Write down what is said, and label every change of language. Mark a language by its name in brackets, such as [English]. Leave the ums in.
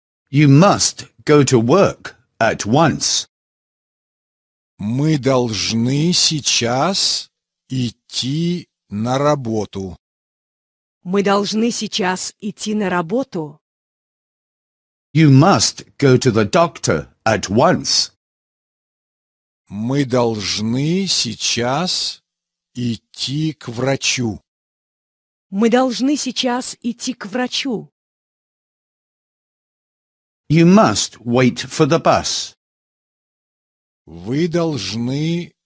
[English] You must go to work at once. [Russian] Мы должны сейчас идти на работу. Мы должны сейчас идти на работу. [English] You must go to the doctor at once. [Russian] Мы должны сейчас идти к врачу. Мы должны сейчас идти к врачу. [English] You must wait for the bus. [Russian] Вы должны